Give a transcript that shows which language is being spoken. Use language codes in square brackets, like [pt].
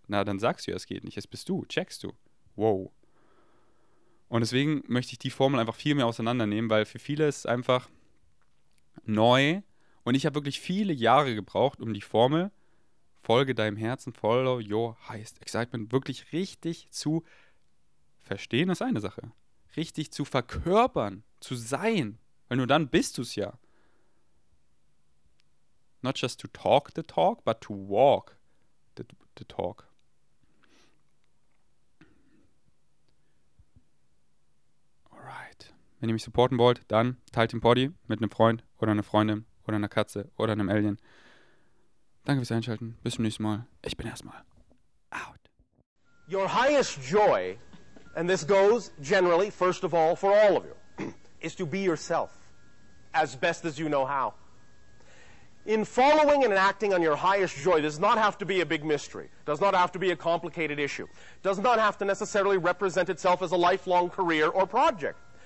[de] Na, dann sagst du ja, es geht nicht. Es bist du. Checkst du. Wow. Und deswegen möchte ich die Formel einfach viel mehr auseinandernehmen, weil für viele ist es einfach neu. Und ich habe wirklich viele Jahre gebraucht, um die Formel Folge deinem Herzen, [en] follow your highest excitement, [de] wirklich richtig zu verstehen, ist eine Sache. Richtig zu verkörpern, zu sein. Weil nur dann bist du es ja. [en] Not just to talk the talk, but to walk the talk. Alright. [de] Wenn ihr mich supporten wollt, dann teilt den Poddy mit einem Freund oder einer Freundin oder einer Katze oder einem Alien. Danke fürs Einschalten. Bis zum nächsten Mal. Ich bin erstmal out. [en] Your highest joy, and this goes generally, first of all, for all of you, is to be yourself as best as you know how. In following and acting on your highest joy does not have to be a big mystery, does not have to be a complicated issue, does not have to necessarily represent itself as a lifelong career or project.